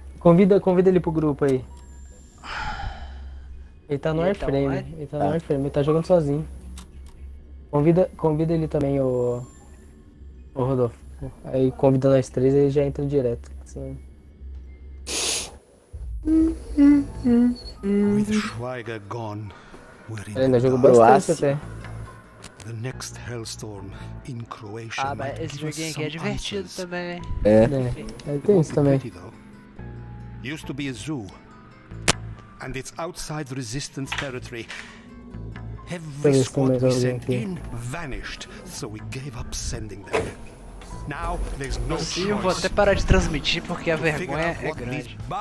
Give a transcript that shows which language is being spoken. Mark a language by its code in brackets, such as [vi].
[pt] Convida ele pro grupo aí. Ele tá no airframe, ele tá jogando sozinho. Convida ele também, o Rodolfo. Aí convida nós três e ele já entra direto. Assim. [en] With Schweiger gone, we're in the last. The next hellstorm in Croatia. [pt] Ah, mas esse joguinho aqui é divertido answers. Também. É. Tem isso também. [en] Used to be a zoo, and it's outside resistance territory. Every squad we sent in vanished, so we gave up sending them. Now there's no choice. [pt] Vou até parar de transmitir porque a vergonha é grande.